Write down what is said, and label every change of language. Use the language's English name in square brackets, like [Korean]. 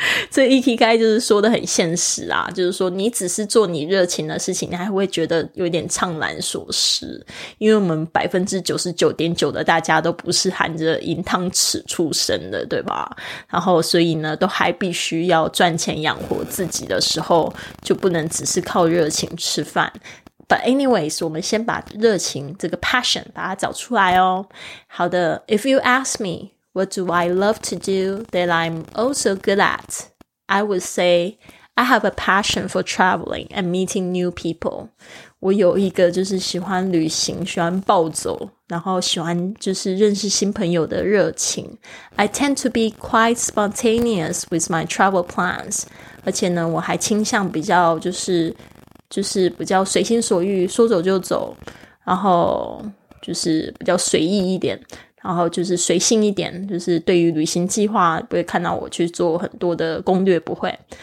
[Chinese] 这 Ikigai 就是说的很现实啊，就是说你只是做你热情的事情，你还会觉得有点怅然所失，因为我们 99.9% 的大家都不是含着银汤匙出生的，对吧？然后所以呢都还必须要赚钱养活自己的时候，就不能只是靠热情吃饭。 [English] But anyways, [Chinese] 我们先把热情这个 passion 把它找出来哦。好的， [English] If you ask meWhat do I love to do that I'm also good at? I would say I have a passion for traveling and meeting new people. [Chinese] 我有一个就是喜欢旅行，喜欢暴走，然后喜欢就是认识新朋友的热情。 [English] I tend to be quite spontaneous with my travel plans. [Chinese] 而且呢，我还倾向比较就是比较随心所欲，说走就走，然后就是比较随意一点，然后就是随性一点，就是对于旅行计划不会看到我去做很多的攻略，不会。